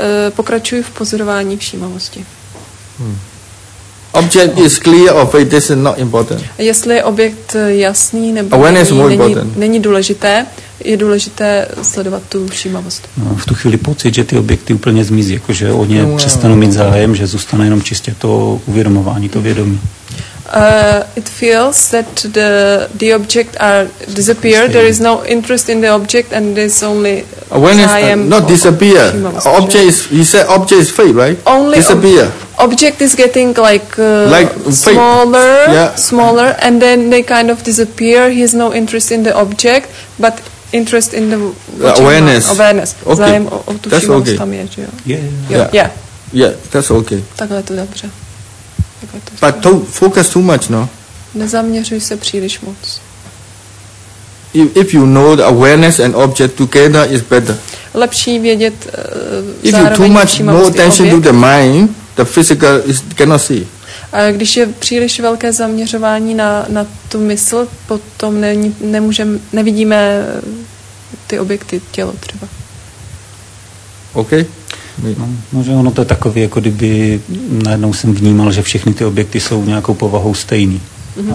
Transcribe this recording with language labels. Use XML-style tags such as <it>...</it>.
<cs>Pokračuji v pozorování všímavosti.</cs> <en>Object is clear or fate, this is not important.</en> <cs>Jestli je objekt jasný nebo není důležité, je důležité sledovat tu všímavost. No, v tu chvíli pocit, že ty objekty úplně zmizí, jakože o ně přestanou mít zájem, že zůstane jenom čistě to uvědomování, to vědomí.</cs> <en>It feels that the object are disappeared. There is no interest in the object, and there's only awareness. Not disappear. Object is, you said object is fake, right? Only disappear. Object is getting like smaller, smaller, and then they kind of disappear. He has no interest in the object, but interest in the awareness. Awareness. Okay. That's okay. Yeah. That's okay.</en> <cs>Takhle to dobře.</cs> <en>But don't focus too much, no?</en> <cs>Nezaměřuj se příliš moc.</cs> <en>If you know the awareness and object together is better.</en> <cs>Lepší vědět</cs> <en>if you too much more attention</en> <cs>objekt,</cs> <en>to the mind, the physical is cannot see.</en> <cs>A když je příliš velké zaměřování na tu mysl, potom nevidíme ty objekty tělo třeba.</cs> <en>Okay.</en> <cs>No, že ono to je takový, jako kdyby najednou jsem vnímal, že všechny ty objekty jsou nějakou povahou stejný. Mm-hmm.</cs>